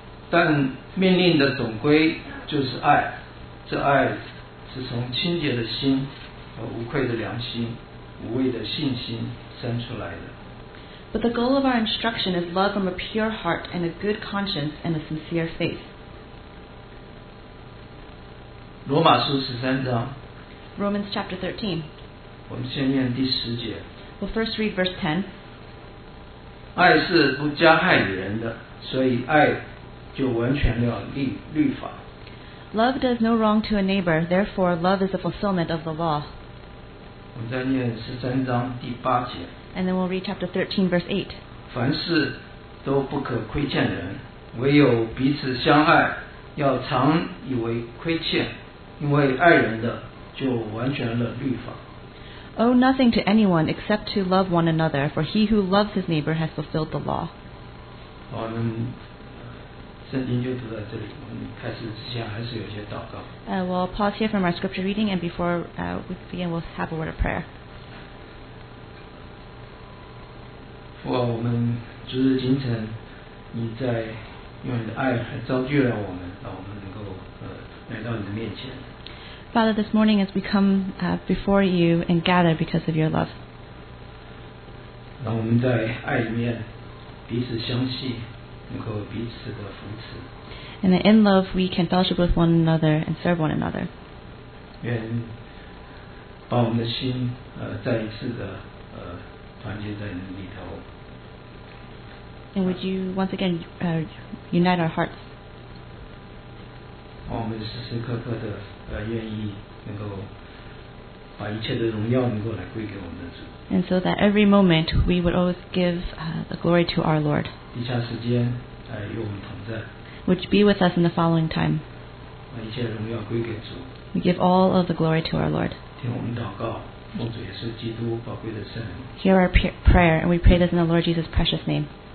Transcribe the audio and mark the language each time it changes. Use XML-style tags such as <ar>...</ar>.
<zh>但命令的总归就是爱，这爱是从清洁的心和无愧的良心、无畏的信心生出来的。</zh> <en>But the goal of our instruction is love from a pure heart and a good conscience and a sincere faith.</en> <zh>罗马书十三章。</zh> <en>Romans chapter 13.</en> <zh>我们先念第十节。</zh> <en>We'll first read verse 10.</en> <zh>爱是不加害于人的，所以爱。就完全了律法。</zh> <en>Love does no wrong to a neighbor, therefore love is the fulfillment of the law.</en> <zh>我们再念十三章第八节。</zh> <en>And then we'll read chapter 13, verse 8.</en> <zh>凡事都不可亏欠人，唯有彼此相爱，要常以为亏欠，因为爱人的就完全了律法。</zh> <en>Owe nothing to anyone except to love one another, for he who loves his neighbor has fulfilled the law.</en> <zh>我们圣经就读在这里，我们开始之前还是有些祷告。</zh> <en>We'll pause here from our scripture reading, and before we begin, we'll have a word of prayer.</en> <zh>父啊，我们逐日清晨，你在用你的爱来造就了我们，让我们能够来到你的面前。</zh> <en>Father, this morning as we come before you and gather because of your love.</en> <zh>让我们在爱里面彼此相信。能够彼此的扶持。</zh> <en>And in love, we can fellowship with one another and serve one another.</en> <zh>愿把我们的心再一次的团结在你里头。</zh> <en>And would you once again unite our hearts?</en> <zh>把我们时时刻刻的愿意能够把一切的荣耀能够来归给我们的主。</zh> <en>And so that every moment we would always give the glory to our Lord.</en> <zh>以下时间与我们同在。</zh> <en>Which be with us in the following time.</en> <zh>把一切荣耀归给主。</zh> <en>We give all of the glory to our Lord.</en> <zh>听我们祷告，奉主耶稣基督宝贵的圣名。</zh> <en>Hear our prayer, and we pray this in the Lord Jesus' precious name.</en>